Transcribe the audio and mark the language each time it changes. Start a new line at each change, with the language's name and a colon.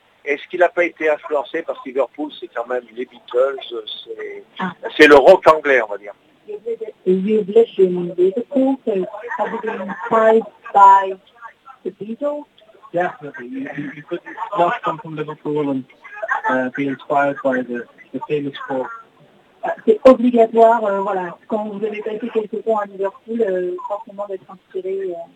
French: Est-ce qu'il n'a pas été influencé parce que Liverpool, c'est quand même les Beatles, c'est le rock anglais, on va dire.
English: You've lived in Liverpool, so have you been inspired by the Beatles? Definitely. You could not come from Liverpool and be inspired by the famous folk.
French: C'est obligatoire, voilà. Quand vous avez passé quelques temps à Liverpool, forcément d'être inspiré.